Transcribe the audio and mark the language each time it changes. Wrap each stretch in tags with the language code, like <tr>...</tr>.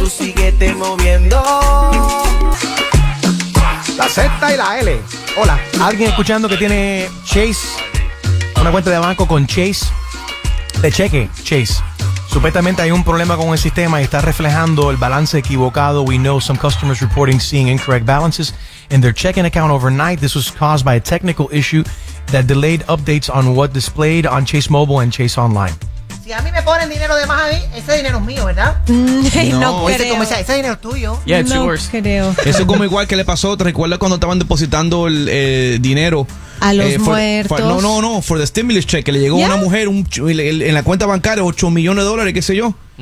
<es>Tú síguete moviendo. La Z y la L. Hola. ¿Alguien escuchando que tiene Chase? Una cuenta de banco con Chase. De cheque, Chase. Supuestamente hay un problema con el sistema y está reflejando el balance equivocado.</es> <en>We know some customers reporting seeing incorrect balances in their checking account overnight. This was caused by a technical issue that delayed updates on what displayed on Chase Mobile and Chase Online.</en> <es>Si a mí me ponen dinero de más a mí, ese dinero es mío, ¿verdad? No creo. Ese dinero es tuyo.</es> <en>Yeah, it's yours.</en> <es>No creo. Eso es como igual que le pasó. ¿Te recuerdas cuando estaban depositando el dinero? A los muertos.</es> <en>No, for the stimulus check,</en> <es>que le llegó a una mujer en la cuenta bancaria, $8,000,000, qué sé yo.</es>